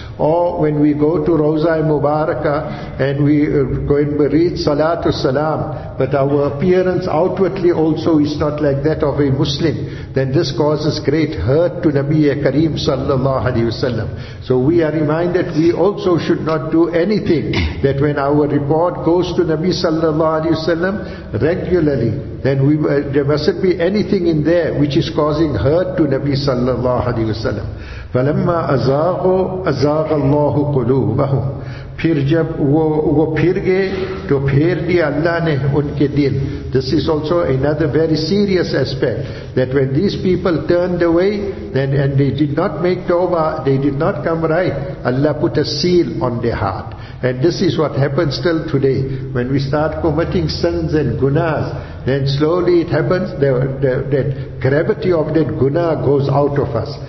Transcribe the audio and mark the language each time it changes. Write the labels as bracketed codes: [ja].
[en] Or when we go to Rawza-e Mubarakah and we go and read salatu wasalam, but our appearance outwardly also is not like that of a Muslim, then this causes great hurt to Nabi Kareem sallallahu alayhi wasalam. So we are reminded we also should not do anything, that when our report goes to Nabi sallallahu alayhi wasallam regularly, then there mustn't be anything in there which is causing hurt to Nabi sallallahu alayhi wasallam. [ar] فَلَمَّا أَزَاغُوا أَزَاغَ اللَّهُ قُلُوبَهُمْ [ur] پھر جب وہ پھر گئے تو پھیر دیا اللہ نے ان کے دل. [en] This is also another very serious aspect, that when these people turned away, then and they did not make tawbah, they did not come right, Allah put a seal on their heart. And this is what happens till today. When we start committing sins and gunas, then slowly it happens, that gravity of that guna goes out of us.